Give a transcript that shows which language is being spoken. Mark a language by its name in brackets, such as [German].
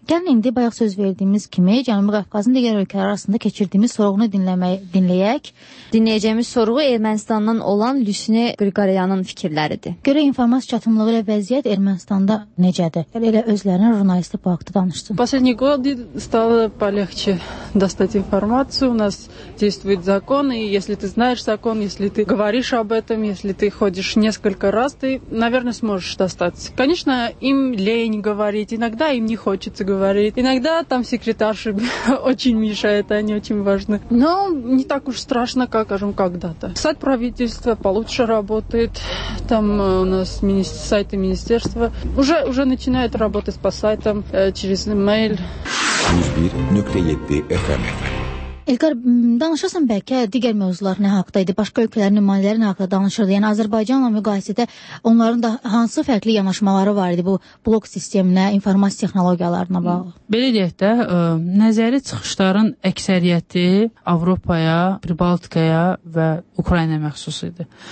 [Azerbaijani] Gəlin indi bayaq söz verdiyimiz kimi Cənubi Qafqazın digər ölkələri arasında keçirdiyimiz sorğunu dinləyək. Dinləyəcəyimiz sorğu Ermənistandan olan Lüsinə Qriqoryanın fikirləridir. Görə informasiya çatımlığı ilə vəziyyət Ermənistanda necədir? Elə özlərinə jurnalistə bu haqda danışdım. [Russian] Последние годы стало полегче достать информацию. У нас действует закон, и если ты знаешь закон, если ты говоришь об этом, если ты ходишь несколько раз, ты, наверное, сможешь достаться. Конечно, им лень говорить, иногда им не хочется говорить. Иногда там секретарши очень мешают, они очень важны. Но не так уж страшно, как, скажем, когда-то. Сайт правительства получше работает. Там у нас сайты министерства уже начинают работать по сайтам через email. 101.7 FM. [Azerbaijani] Elqar, danışasın bəlkə digər mövzular nə haqda idi, başqa ölkələrin nümayələri nə haqda danışırdı, yəni Azərbaycanla müqayisədə onların da hansı fərqli yanaşmaları var idi bu blok sisteminə, informasiya texnologiyalarına bağlı? Belə deyək də, nəzəri çıxışların əksəriyyəti Avropaya, Baltikaya və Ukrayna məxsus idi.